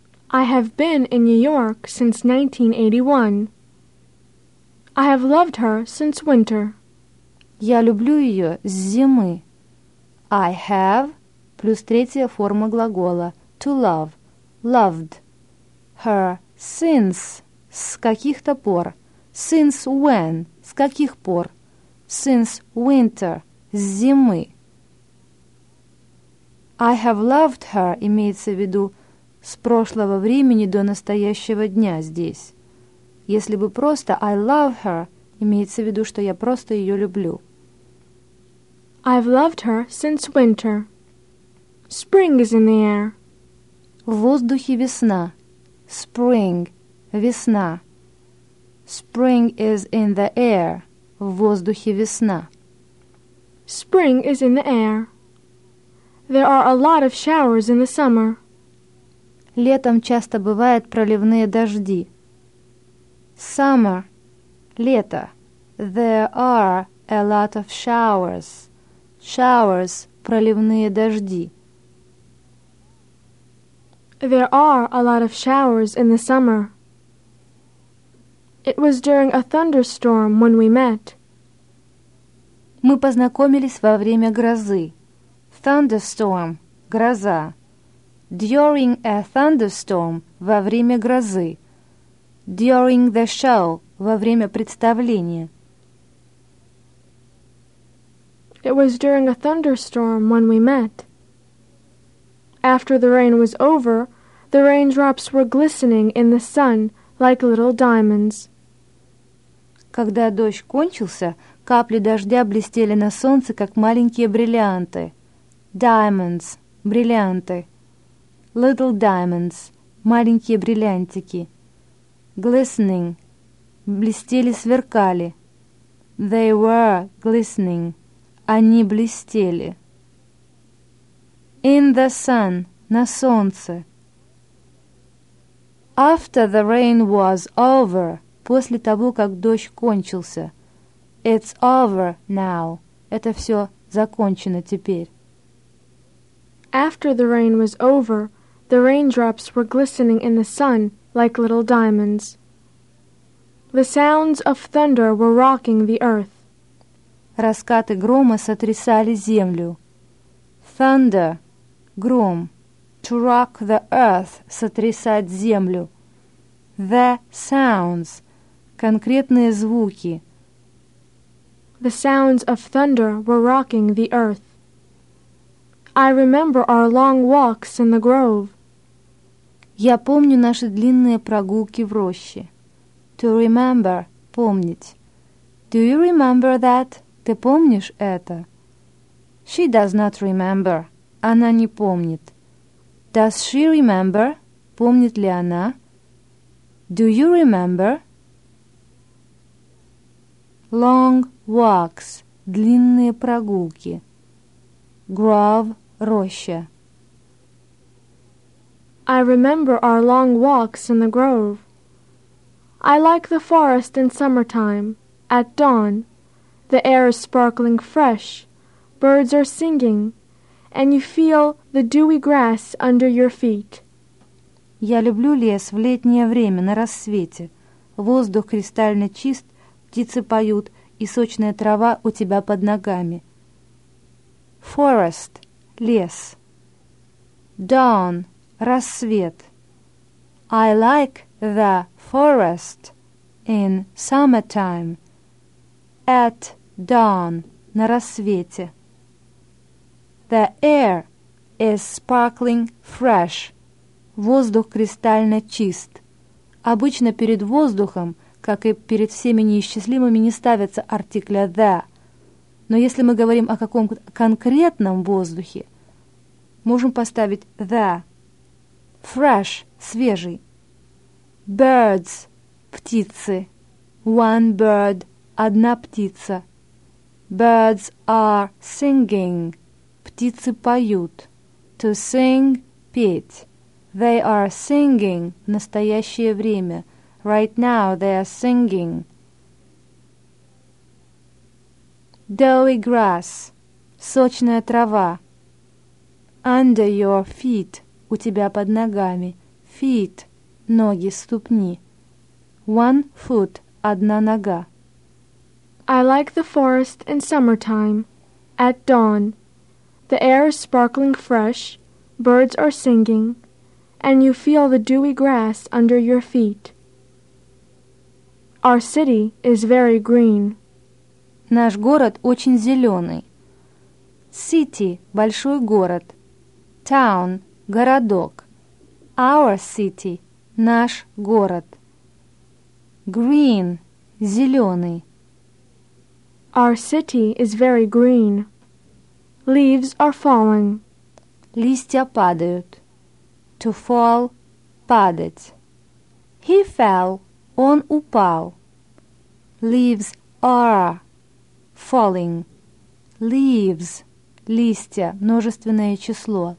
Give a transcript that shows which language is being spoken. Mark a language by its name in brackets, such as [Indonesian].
[English] I have been in New York since 1981. I have loved her since winter. [Russian] Я люблю ее с зимы. [English] I have [Russian] плюс третья форма глагола [English] to love, loved her since [Russian] с каких-то пор. [English] Since when [Russian] с каких пор. [English] Since winter [Russian] с зимы. [English] I have loved her [Russian] имеется в виду с прошлого времени до настоящего дня здесь. Если бы просто [English] I love her, [Russian] имеется в виду, что я просто ее люблю. [English] I've loved her since winter. Spring is in the air. [Russian] В воздухе весна. [English] Spring. [Russian] Весна. [English] Spring is in the air. [Russian] В воздухе весна. [English] Spring is in the air. There are a lot of showers in the summer. [Russian] Летом часто бывают проливные дожди. [English] Summer. [Russian] Лето. [English] There are a lot of showers. Showers. [Russian] Проливные дожди. [English] There are a lot of showers in the summer. It was during a thunderstorm when we met. [Russian] Мы познакомились во время грозы. [English] Thunderstorm. [Russian] Гроза. [English] During a thunderstorm. [Russian] Во время грозы. [English] During the show, [Russian] во время представления. [English] It was during a thunderstorm when we met. After the rain was over, the raindrops were glistening in the sun like little diamonds. [Russian] Когда дождь кончился, капли дождя блестели на солнце, как маленькие бриллианты. [English] Diamonds, [Russian] бриллианты. [English] Little diamonds, [Russian] маленькие бриллиантики. [English] Glistening. [Russian] Блестели, сверкали. [English] They were glistening. [Russian] Они блестели. [English] In the sun. [Russian] На солнце. [English] After the rain was over. [Russian] После того, как дождь кончился. [English] It's over now. [Russian] Это все закончено теперь. [English] After the rain was over, the raindrops were glistening in the sun like little diamonds. The sounds of thunder were rocking the earth. [Russian] Раскаты грома сотрясали землю. [English] Thunder. [Russian] Гром. [English] To rock the earth. [Russian] Сотрясать землю. [English] The sounds. [Russian] Конкретные звуки. [English] The sounds of thunder were rocking the earth. I remember our long walks in the grove. [Russian] Я помню наши длинные прогулки в роще. [English] To remember, [Russian] помнить. [English] Do you remember that? [Russian] Ты помнишь это? [English] She does not remember. [Russian] Она не помнит. [English] Does she remember? [Russian] Помнит ли она? [English] Do you remember? Long walks. [Russian] Длинные прогулки. [English] Grove, [Russian] роща. [English] I remember our long walks in the grove. I like the forest in summertime, at dawn. The air is sparkling fresh, birds are singing, and you feel the dewy grass under your feet. [Russian] Я люблю лес в летнее время, на рассвете. Воздух кристально чист, птицы поют, и сочная трава у тебя под ногами. [English] Forest [Russian] — лес. [English] Dawn [Russian] — рассвет. [English] I like the forest in summertime at dawn [Russian] на рассвете. [English] The air is sparkling fresh. [Russian] Воздух кристально чист. Обычно перед воздухом, как и перед всеми неисчислимыми, не ставится артикля the. Но если мы говорим о каком-то конкретном воздухе, можем поставить the. [English] Fresh [Russian] свежий. [English] birds, [Russian] птицы. [English] One bird, [Russian] одна птица. [English] Birds are singing, [Russian] птицы поют. [English] To sing, [Russian] петь. [English] They are singing [Russian] в настоящее время. [English] Right now they are singing. Doughy grass, [Russian] сочная трава. [English] Under your feet, [Russian] у тебя под ногами. [English] Feet, [Russian] ноги, ступни. [English] One foot, [Russian] одна нога. [English] I like the forest in summertime, at dawn. The air is sparkling fresh, birds are singing, and you feel the dewy grass under your feet. Our city is very green. [Russian] Наш город очень зеленый. [English] City [Russian] – большой город. [English] Town [Russian] – городок. [English] Our city [Russian] – наш город. [English] Green – [Russian] зеленый. [English] Our city is very green. Leaves are falling. [Russian] Листья падают. [English] To fall – [Russian] падать. [English] He fell – [Russian] он упал. [English] Leaves are falling. Leaves [Russian] – листья, множественное число.